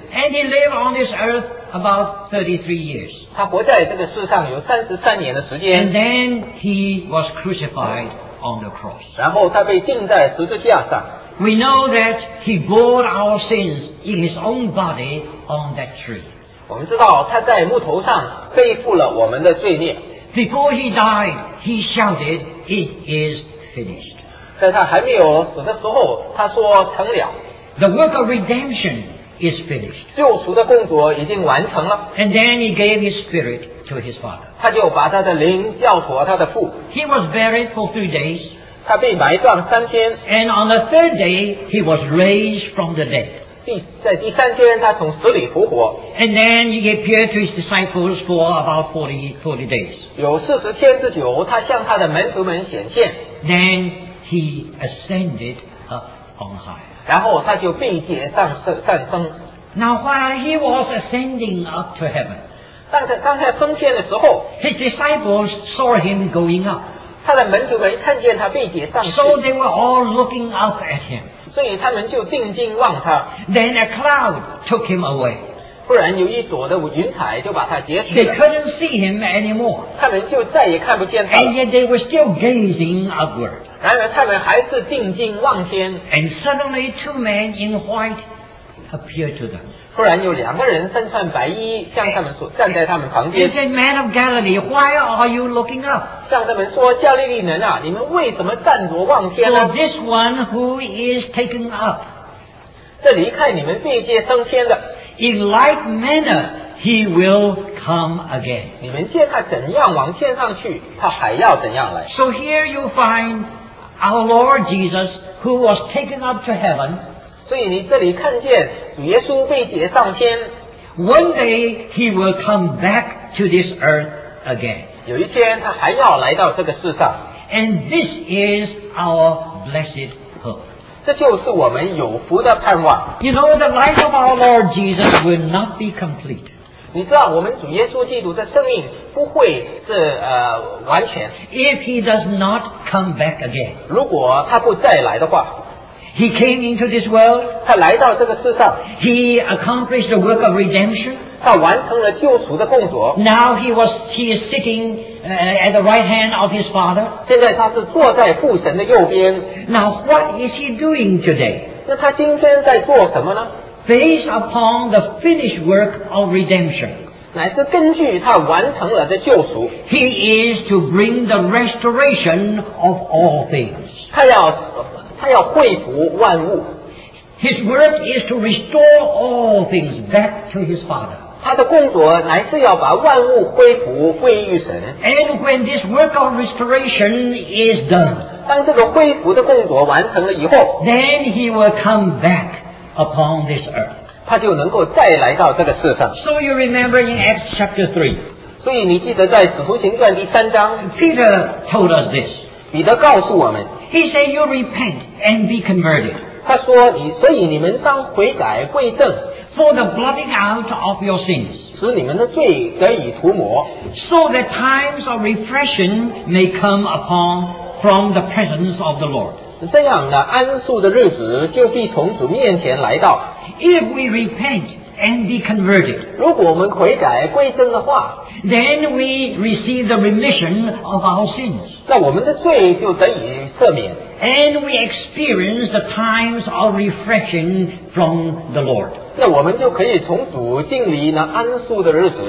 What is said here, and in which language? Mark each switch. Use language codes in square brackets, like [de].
[en] And he lived on this earth about 33 years。 [zh] 他活在这个世上有33年的时间。 [en] And then he was crucified on the cross。 [zh] 然后他被钉在十字架上。 [en] We know that he bore our sins in his own body on that tree。 [zh] 我们知道他在木头上背负了我们的罪孽。 [en] Before he died, he shouted, "It is." Finished. [zh] 在他还没有死的时候，他说成了。 [en] The work of redemption is finished. [zh] 救赎的工作已经完成了。 [en] And then he gave his spirit to his father. [zh] 他就把他的灵交托他的父。 [en] He was buried for 3 days. [zh] 他被埋葬三天。 [en] And on the third day, he was raised from the dead. [zh] 在第三天，他从死里复活。 [en] And then he appeared to his disciples for about 40 days. [zh] 有40天之久，他向他的门徒们显现。 [en] Then he ascended up on high. [zh] 然后他就被接上升。 [en] Now while he was ascending up to heaven, [zh] 当他升天的时候， [en] his disciples saw him going up. [zh] 他的门徒们看见他被接上去。 [en] So they were all looking up at him. [zh] 所以他们就定睛望他。 [en] Then a cloud took him away. [zh] 不然有一朵的云彩就把他截取了。 [en] They couldn't see him anymore. [zh] 他们就再也看不见他了。 [en] And yet they were still gazing upward. [zh] 然而他们还是定睛望天。 [en] And suddenly two men in white appeared to them. [zh] 忽然有两个人身穿白衣向他们所站在他们旁边。 [en] He said, "Man of Galilee, why are you looking up?" [zh] 向他们说，加利利人啊，你们为什么站着望天呢？ [en] For this one who is taken up. [zh] 这离开你们被接升天的。 [en] In like manner, he will come again. [zh] 你们见他怎样往天上去，他还要怎样来。 [en] So here you find our Lord Jesus, who was taken up to heaven. [zh] 所以你这里看见主耶稣被接上天。 [en] One day he will come back to this earth again. [zh] 有一天他还要来到这个世上。 [en] And this is our blessed hope. [zh] 这就是我们有福的盼望。 [en] You know, the life of our Lord Jesus will not be complete. [zh] 你知道我们主耶稣基督的生命不会是完全。 [en] If he does not come back again. [zh] 如果他不再来的话。 [en] He came into this world. [zh] 他来到这个世上。 [en] He accomplished the work of redemption. [zh] 他完成了救赎的工作。 [en] Now he is sitting at the right hand of his father. [zh] 现在他是坐在父神的右边。 [en] Now what is he doing today? [zh] 那他今天在做什么呢? [en] Based upon the finished work of redemption. [zh] 乃是根据他完成了的救赎。 [en] He is to bring the restoration of all things. [zh] 他要恢复万物。 [en] His work is to restore all things back to his father. [zh] 他的工作乃是要把万物恢复归于神。 [en] And when this work of restoration is done, [zh] 当这个恢复的工作完成了以后， [en] then he will come back upon this earth. [zh] 他就能够再来到这个世上。 [en] So you remember in Acts chapter 3, [zh] 所以你记得在使徒行传第三章， [en] Peter told us this. [zh] 彼得告诉我们， [en] He said, "You repent and be converted." [zh] 他说所以你们当悔改归正 [en] for the blotting out of your sins, [zh] 使你们的罪得以涂抹 [en] so that times of refreshing may come upon from the presence of the Lord. [zh] 这样的安宿的日子就必从主面前来到 [en] If we repent,And be converted. [zh] 如果我们悔改归正的话 [en] then we receive the remission of our sins. [zh] 那我们的罪就得以赦免 [en] and we experience the times of refreshing from the Lord. [zh] 那我们就可以从主经历那安宿的日子